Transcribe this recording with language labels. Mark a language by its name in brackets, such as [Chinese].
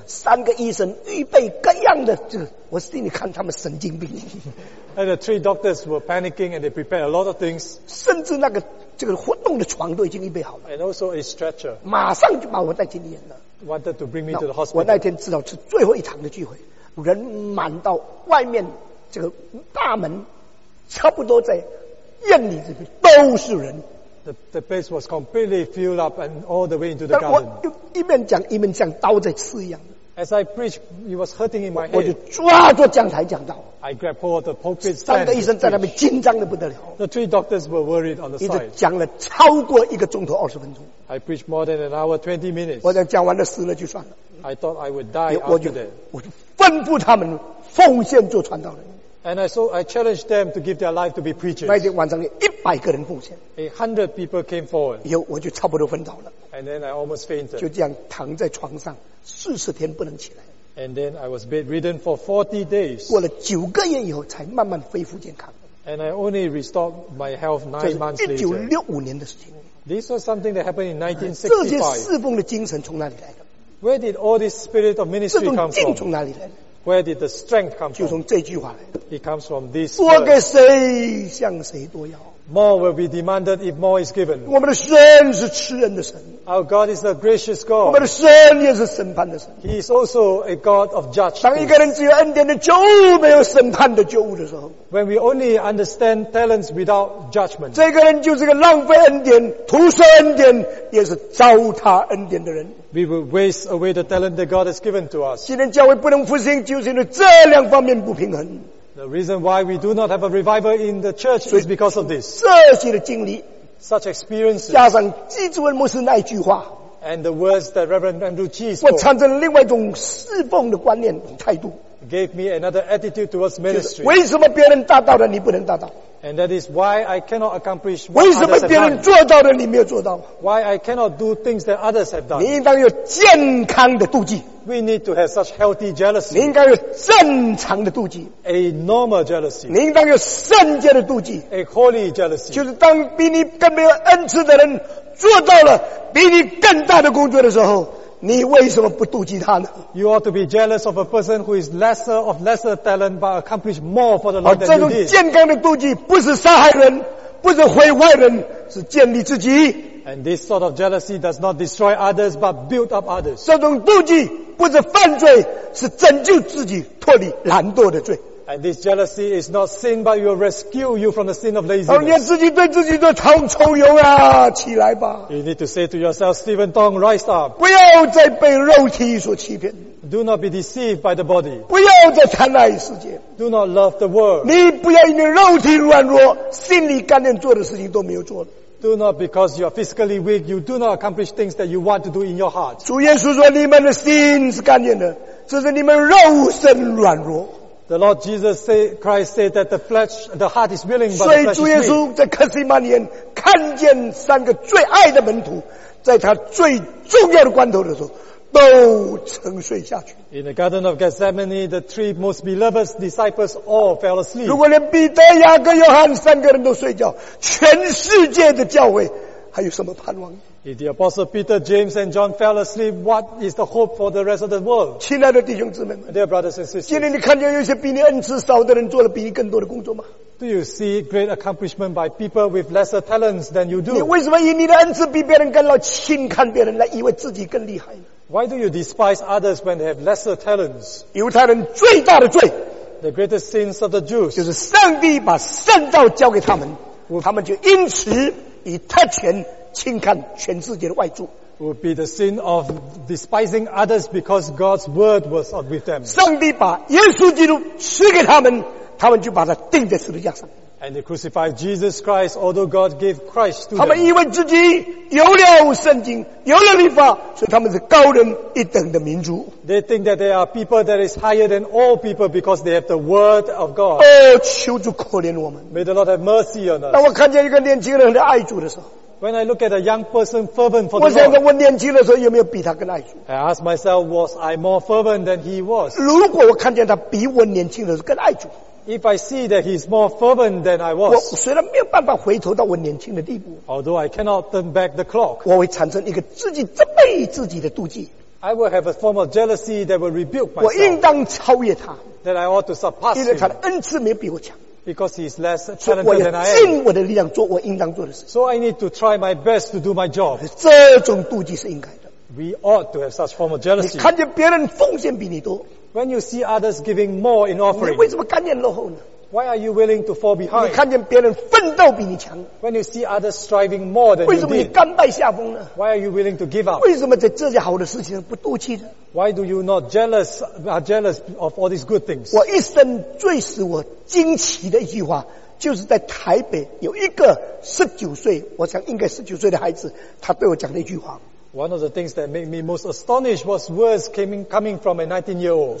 [Chinese] 三个医生预备各样的，这我心里看他们神经病。 [English] And the 3 doctors were panicking and they prepared a lot of things. [Chinese] 甚至那个这个活动的床都已经预备好了。 [English] And also a stretcher. [Chinese] 马上就把我带进医院了。 [English] Wanted to bring me to the hospital. [Chinese] 我那天知道是最后一场的聚会，人满到外面这个大门。差不多在院里这边都是人。 [English] The place was completely filled up and all the way into the garden. [Chinese] 我一面讲一面像刀在刺一样的。 [English] As I preached, it was hurting in my head. [Chinese] 我就抓住讲台讲道。 [English] I grabbed hold of the pulpit stand. [Chinese] 三个医生在那边紧张的不得了。 [English] The 3 doctors were worried on the side. [Chinese] 一直讲了超过1个钟头20分钟。 [English] I preached more than an hour 20 minutes. [Chinese] 我想讲完了死了就算了。 [English] I thought I would die after that. [Chinese] 我就吩咐他们奉献做传道人。 [English] And I challenged them to give their life to be preachers. [Chinese] 那天晚上100个人奉献。 [English] 100 people came forward. [Chinese] 以后我就差不多昏倒了。 [English] And then I almost fainted. [Chinese] 就这样躺在床上40天不能起来。 [English] And then I was bedridden for 40 days. [Chinese] 过了9个月以后才慢慢恢复健康。 [English] And I only restored my health 9 months later. [Chinese] 1965年的事情。 [English] This was something that happened in 1965. [Chinese] 这些侍奉的精神从哪里来的 [English] ？Where did all this spirit of ministry come from？ [Chinese] 这种劲从哪里来的？ [English] Where did the strength come from? [Chinese] 就从这句话来。 [English] It comes from this. [Chinese] 多给谁，向谁多要。 [English] More will be demanded if more is given. [Chinese] 我们的神是慈恩的神。 [English] Our God is a gracious God. [Chinese] 我们的神也是审判的神。 [English] He is also a God of judgment. [Chinese] 当一个人只有恩典的救恩，没有审判的救恩的时候。 [English] When we only understand talents without judgment. [Chinese] 这个人就是个浪费恩典、徒受恩典，也是糟蹋恩典的人。 [English] We will waste away the talent that God has given to us. [Chinese] 今天教会不能复兴，就是因为这两方面不平衡。 [English] The reason why we do not have a revival in the church is because of this. [Chinese] 这些的经历 [English] such experiences, [Chinese] 加上基督恩牧师那一句话 [English] and the words that Reverend Andrew Chi spoke, [Chinese] 我产生了另外一种侍奉的观念态度 [English] gave me another attitude towards ministry. [Chinese] 为什么别人达到了你不能达到 [English] and that is why I cannot accomplish what others have done. [Chinese] 为什么别人做到了你没有做到 [English] why I cannot do things that others have done. [Chinese] 你应当有健康的妒忌 [English] We need to have such healthy jealousy. [Chinese] 你应该有正常的妒忌 [English] A normal jealousy. [Chinese] 你应当有圣洁的妒忌 [English] A holy jealousy. [Chinese] 就是当比你更没有恩赐的人做到了比你更大的工作的时候你为什么不妒忌他呢 [English] You ought to be jealous of a person who is lesser of lesser talent but accomplish more for the Lord than you did. [Chinese] 这种健康的妒忌不是杀害人不是毁坏人是建立自己 [English] And this sort of jealousy does not destroy others but build up others. [Chinese] 这种妒忌不是犯罪是拯救自己脱离懒惰的罪 [English] And this jealousy is not sin but will rescue you from the sin of laziness. [Chinese] 你连自己对自己都常抽油啊起来吧 [English] You need to say to yourself Stephen Tong rise up. [Chinese] 不要再被肉体所欺骗 [English] Do not be deceived by the body. [Chinese] 不要再贪爱世界 [English] Do not love the world. [Chinese] 你不要因为肉体软弱心里甘愿做的事情都没有做了 [English] Do not because you are physically weak, you do not accomplish things that you want to do in your heart. [Chinese] 主耶稣说你们的心是干硬的，只是你们肉身软弱。 [English] The Lord Jesus Christ said that the flesh, the heart is willing, but the flesh is weak. [Chinese] 所以主耶稣在克西马尼园看见三个最爱的门徒，在他最重要的关头的时候。都沉睡下去。 [English] In the Garden of Gethsemane, the three most beloved disciples all fell asleep. [Chinese] 如果连彼得、雅各、约翰三个人都睡觉，全世界的教会还有什么盼望？ [English] If the apostle Peter, James, and John fell asleep, what is the hope for the rest of the world? [Chinese] 亲爱的弟兄姊妹们 [English] ，Dear brothers and sisters, [Chinese] 今天你看见有些比你恩赐少的人做了比你更多的工作吗？ [English] Do you see great accomplishment by people with lesser talents than you do? [Chinese] 你为什么以你的恩赐比别人更老，轻看别人，来以为自己更厉害呢？ [English] Why do you despise others when they have lesser talents? [Chinese] 犹太人最大的罪 [English] The greatest sins of the Jews [Chinese] 就是上帝把圣道交给他们他们就因此以特权轻看全世界的外族 [English] Would be the sin of despising others because God's word was not with them [Chinese] 上帝把耶稣基督赐给他们他们就把他钉在十字架上 [English] And they crucified Jesus Christ although God gave Christ to them [Chinese] 他们以为自己有了圣经有了律法所以他们是高人一等的民族 [English] They think that there are people that is higher than all people because they have the word of God [Chinese] 哦，求主可怜我们 [English] May the Lord have mercy on us [Chinese] 当我看见一个年轻人很爱主的时候 [English] When I look at a young person fervent for the Lord [Chinese] 我想着我年轻的时候有没有比他更爱主 [English] I ask myself was I more fervent than he was [Chinese] 如果我看见他比我年轻的时候更爱主 [English] If I see that he's more fervent than I was, [Chinese] 我虽然没有办法回头到我年轻的地步 [English] although I cannot turn back the clock, [Chinese] 我会产生一个自己责备自己的妒忌 [English] I will have a form of jealousy that will rebuke myself, [Chinese] 我应当超越他 [English] that I ought to surpass him, [Chinese] 因为他的恩赐没有比我强 [English] because he's less talented than I am, [Chinese] 所以我要尽我的力量做我应当做的事 [English] so I need to try my best to do my job, [Chinese] 这种妒忌是应该的 [English] we ought to have such form of jealousy, [Chinese] 你看见别人奉献比你多 [English] When you see others giving more in offering, [Chinese] 你为什么甘愿落后呢 [English] Why are you willing to fall behind? [Chinese] 你看见别人奋斗比你强 [English] When you see others striving more than you did, [Chinese] 为什么你甘拜下风呢 [English] Why are you willing to give up? [Chinese] 为什么在这些好的事情上不妒忌呢 [English] Why do you not jealous of all these good things? [Chinese] 我一生最使我惊奇的一句话就是在台北有一个19岁我想应该19岁的孩子他对我讲了一句话 [English] One of the things that made me most astonished was words coming from a 19-year-old.